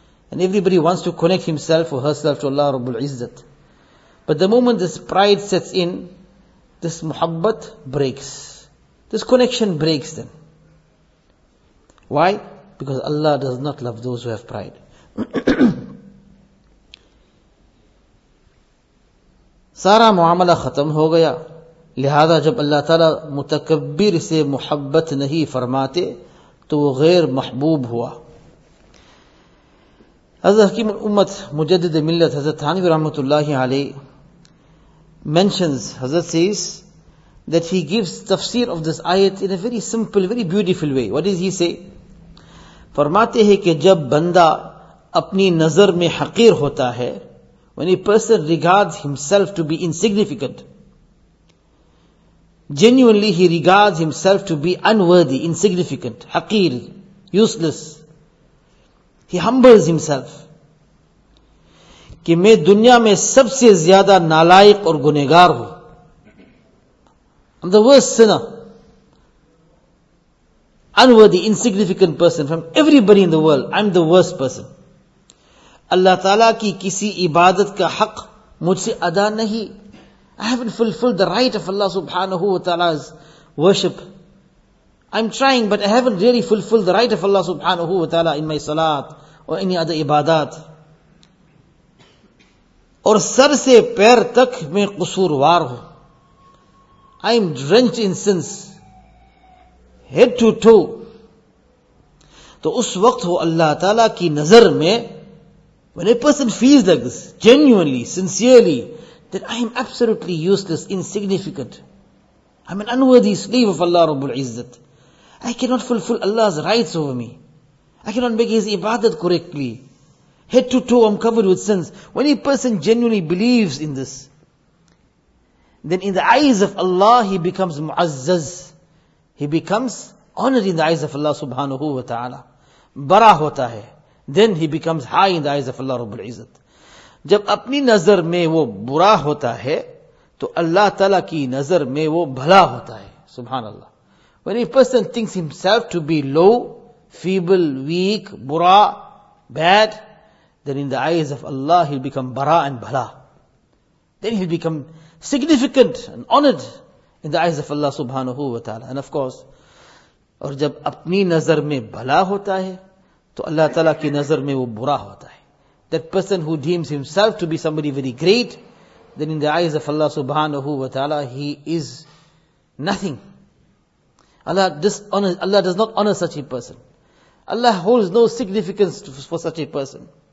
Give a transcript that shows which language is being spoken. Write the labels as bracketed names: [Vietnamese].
[English] And everybody wants to connect himself or herself to Allah Rabbul Izzat. But the moment this pride sets in, this muhabbat breaks. This connection breaks then. Why? Because Allah does not love those who have pride. [Urdu] سارا معاملہ ختم ہو گیا لہذا جب اللہ تعالیٰ متکبر سے محبت نہیں فرماتے تو وہ غیر محبوب ہوا. [English] حضرت حکیم الامت مجدد ملت حضرت تھانوی رحمت اللہ علیہ mentions, حضرت says that he gives tafsir of this ayat in a very simple, very beautiful way. What does he say? [Urdu] فرماتے ہیں کہ جب بندہ اپنی نظر میں حقیر ہوتا ہے, [English] when a person regards himself to be insignificant, genuinely he regards himself to be unworthy, insignificant, haqeer, useless, He humbles himself. [Urdu] کہ میں دنیا میں سب سے زیادہ نالائق اور گنہگار ہوں. [English] I'm the worst sinner. Unworthy, insignificant person from everybody in the world. I'm the worst person. [Urdu] اللہ تعالیٰ کی کسی عبادت کا حق مجھ سے ادا نہیں. [English] I haven't fulfilled the right of Allah subhanahu wa ta'ala's worship. I'm trying, but I haven't really fulfilled the right of Allah subhanahu wa ta'ala in my salat or any other ibadat. [Urdu] اور سر سے پیر تک میں قصوروار ہوں. [English] I am drenched in sins, head to toe. [Urdu] تو اس وقت ہو اللہ تعالیٰ کی نظر میں, [English] when a person feels like this, genuinely, sincerely, that I am absolutely useless, insignificant. I'm an unworthy slave of Allah Rabbul Izzat. I cannot fulfill Allah's rights over me. I cannot make His ibadat correctly. Head to toe, I'm covered with sins. When a person genuinely believes in this, then in the eyes of Allah, he becomes mu'azzaz. He becomes honored in the eyes of Allah subhanahu wa ta'ala. [Urdu] Bara hota hai. [English] Then he becomes high in the eyes of Allah Rabbul Izzat. [Urdu] جب اپنی نظر میں وہ برا ہوتا ہے تو اللہ تعالیٰ کی نظر میں وہ بھلا ہوتا ہے. سبحان اللہ. [English] When a person thinks himself to be low, feeble, weak, برا, bad, then in the eyes of Allah he'll become برا and بھلا. Then he'll become significant and honored in the eyes of Allah subhanahu wa ta'ala. And of course, [Urdu] اور جب اپنی نظر میں بھلا ہوتا ہے تو اللہ تعالیٰ کی نظر میں وہ برا ہوتا ہے. [English] That person who deems himself to be somebody very great, then in the eyes of Allah subhanahu wa ta'ala, he is nothing. Allah does not honor such a person. Allah holds no significance for such a person.